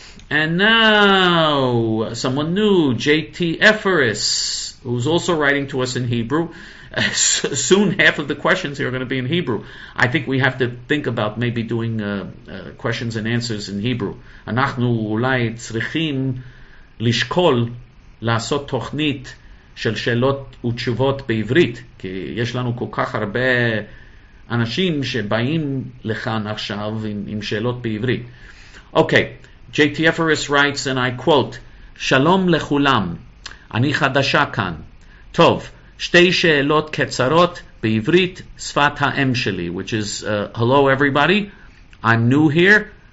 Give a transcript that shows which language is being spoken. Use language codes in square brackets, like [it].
[en] And now, someone new, J.T. Eferis, who's also writing to us in Hebrew. Soon, half of the questions here are going to be in Hebrew. I think we have to think about maybe doing questions and answers in Hebrew. [he] Anachnu ulai tzrichim lishkol lasot tochnit של שאלות ותשובות בעברית, כי יש לנו כל כך הרבה אנשים שבאים לכאן עכשיו עם שאלות בעברית. [en] Okay, J.T. Eferis writes, and I quote, [he] "שלום לכולם, אני חדשה כאן. טוב, שתי שאלות קצרות בעברית שפת האם שלי," [en] which is, hello everybody, I'm new here.